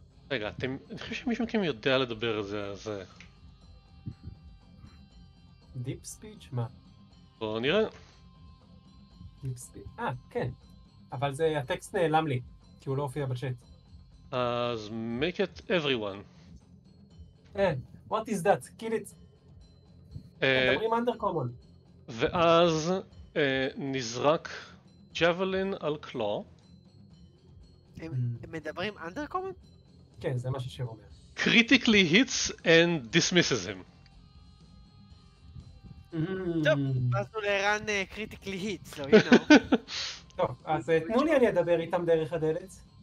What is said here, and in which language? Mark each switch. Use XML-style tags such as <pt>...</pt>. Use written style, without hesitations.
<he>רגע, אני חושב שמישהו מכם יודע לדבר את זה, אז... דיפ ספיץ' מה? בואו נראה. דיפ ספיץ', כן. אבל זה, הטקסט נעלם לי, כי הוא לא הופיע בצ'אט. אז</he> <en>make it everyone. What is that? Kill it.</en> <he>מדברים under common. ואז נזרק ג'אבלין על קלו. הם מדברים under common? כן, זה מה ששיר אומר.</he> <en>Critically hits and dismisses him.</en> <he>טוב, אז הוא לרן קריטיקלי היטס, לא יודע. טוב, אז תנו לי אני אדבר איתם דרך הדלת.</he>